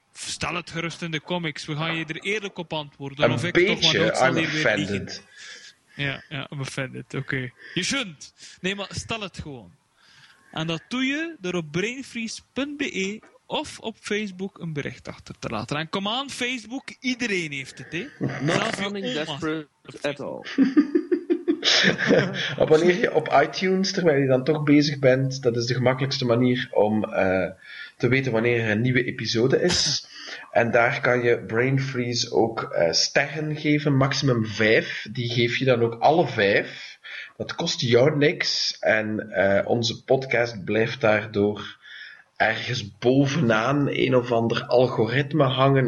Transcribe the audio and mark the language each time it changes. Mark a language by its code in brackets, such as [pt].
[nl] Stel het gerust in de comics. We gaan je er eerlijk op antwoorden. Een of ik beetje, toch maar [en] I'm offended. [nl] Ja, ja, [en] I'm offended. [nl] Oké. Okay. Je [en] shouldn't. [nl] Nee, maar stel het gewoon. En dat doe je door op brainfreeze.be of op Facebook een bericht achter te laten. En kom aan, Facebook. Iedereen heeft het, hè. [en] Not feeling desperate at all. [nl] Abonneer je op iTunes terwijl je dan toch bezig bent. Dat is de gemakkelijkste manier om te weten wanneer er een nieuwe episode is. En daar kan je Brain Freeze ook sterren geven, maximum 5. Die geef je dan ook alle 5. Dat kost jou niks en onze podcast blijft daardoor ergens bovenaan een of ander algoritme hangen.